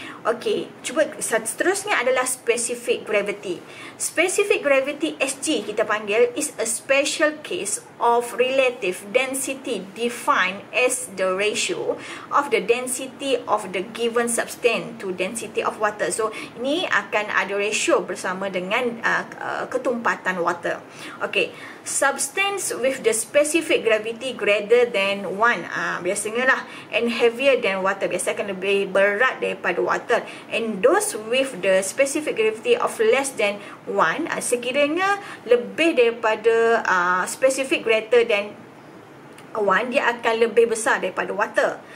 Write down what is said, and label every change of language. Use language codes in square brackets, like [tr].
[ms] Okay, cuba seterusnya adalah specific gravity. [en] Specific gravity SG [ms] kita panggil [en] is a special case of relative density defined as the ratio of the density of the given substance to density of water. [ms] So, ini akan ada ratio bersama dengan ketumpatan water. [en] Okay. Substance with the specific gravity greater than 1, [ms] biasanya lah, [en] and heavier than water, [ms] biasanya akan lebih berat daripada water. [en] And those with the specific gravity of less than 1, [ms] sekiranya lebih daripada specific greater than 1, dia akan lebih besar daripada water.